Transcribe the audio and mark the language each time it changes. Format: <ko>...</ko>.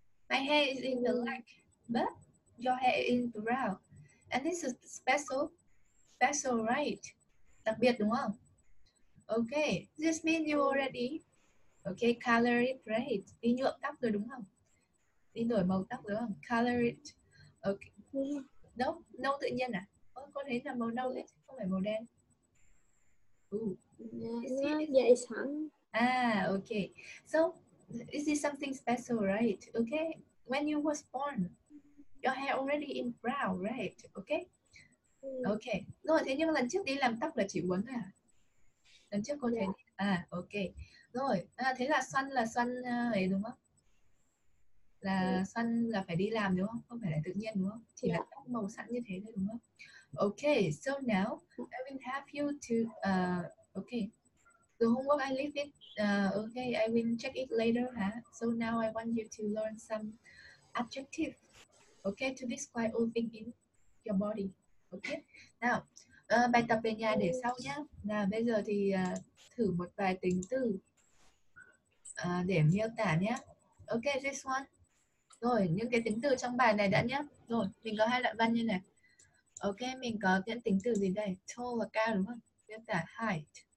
<en>My hair is in black, but your hair in brown. And this is special, right?</en> <vi>Đặc biệt đúng không?</vi> <en>Okay, this means you already, okay, color it, right?</en> <vi>Đi nhuộm tóc rồi đúng không? Đi đổi màu tóc đúng không?</vi> <en>Color it, okay.</en> <vi>Nâu, nâu tự nhiên à? Ôi, con thấy là màu nâu đấy, không phải màu đen.</vi> <en>Ooh. Yeah, it's hot. Ah, okay. So, is this something special, right? Okay, when you was born, your hair already in brown, right? Okay? Okay.</en> <vi>Rồi, thế nhưng lần trước đi làm tóc là chỉ uốn à? Lần trước cô thấy...</vi> <en>Yeah. À, okay.</en> <vi>Rồi, à, thế là xoăn ấy đúng không? Là xoăn là phải đi làm đúng không? Không phải là tự nhiên đúng không? Chỉ</vi> <en>yeah.</en> <vi>là tóc màu sẵn như thế thôi đúng không?</vi> <en>Okay, so now, I will have you to... okay. The homework I leave it. Okay, I will check it later, huh? So now I want you to learn some adjective. okay, to describe all things in your body.</en> <vi>Okay, nào, bài tập về nhà để sau nhé. Nào, bây giờ thì thử một vài tính từ để miêu tả nhé.</vi> <en>Okay, this one.</en> <vi>Rồi, những cái tính từ trong bài này đã nhé. Rồi, mình có hai đoạn văn như này. Okay, mình có những tính từ gì đây? Tall là cao đúng không? Miêu tả height.</vi>